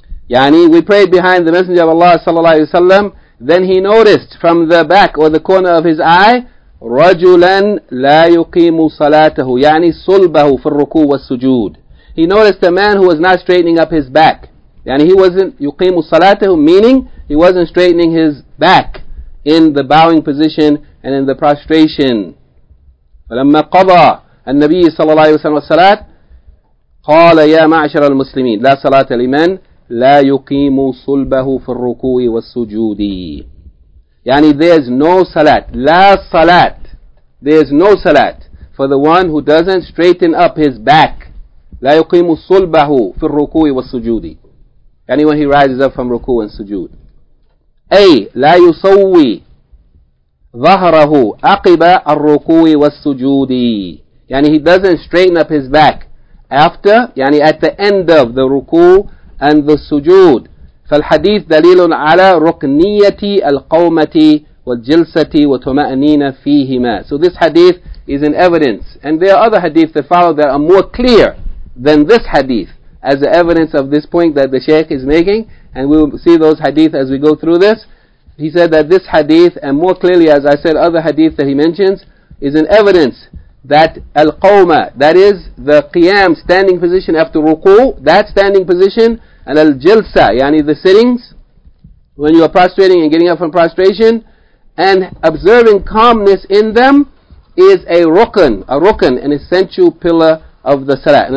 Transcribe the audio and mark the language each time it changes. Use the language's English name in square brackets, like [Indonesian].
[English] يعني, we prayed behind the Messenger of Allah صلى الله عليه وسلم, then he noticed from the back or the corner of his eye, [Arabic] رَجُلًا لَا يُقِيمُ صَلَاتَهُ يعني صُلْبَهُ فِي الرُّكُوع وَالسُّجُودِ [English] He noticed a man who was not straightening up his back. يعني he wasn't [Arabic] يُقِيمُ صَلَاتَهُ [English] meaning, he wasn't straightening his back in the bowing position and in the prostration. [Arabic] فَلَمَّا قَضَى النَّبِي صَلَى اللَّهِ وَسَلَّمَ الصَّلَاةِ قَالَ يَا مَعْشَرَ الْمُسْلِمِينَ لَا صَلَاةَ لِمَنْ لَا يُقِيمُ صُلْبَهُ فِي الرُّكُوعِ وَالسُّجُودِ يعني [English] there's no salat. [Arabic] لا salat. [English] There's no salat for the one who doesn't straighten up his back. [Arabic] لَا يُقِيمُ صُلْبَهُ فِي الرُّكُوعِ وَالسُّجُودِ [English] يعني when he rises up from ruku and sujood. [Arabic] أي لا يسوي ظهره عقب الركوع والسجود. [English] يعني he doesn't straighten up his back after, يعني at the end of the ركوع and the sujood. [Arabic] فالحديث دليل على ركنية القومة والجلسة وطمأنينة فيهما. [English] So this hadith is an evidence. And there are other hadith that follow that are more clear than this hadith as the evidence of this point that the Shaykh is making. And we will see those hadith as we go through this. He said that this hadith, and more clearly as I said, other hadith that he mentions, is an evidence that al-qawma, that is the qiyam, standing position after ruku, that standing position, and al-jilsa, yani the sittings, when you are prostrating and getting up from prostration, and observing calmness in them, is a rukun, an essential pillar of the salah.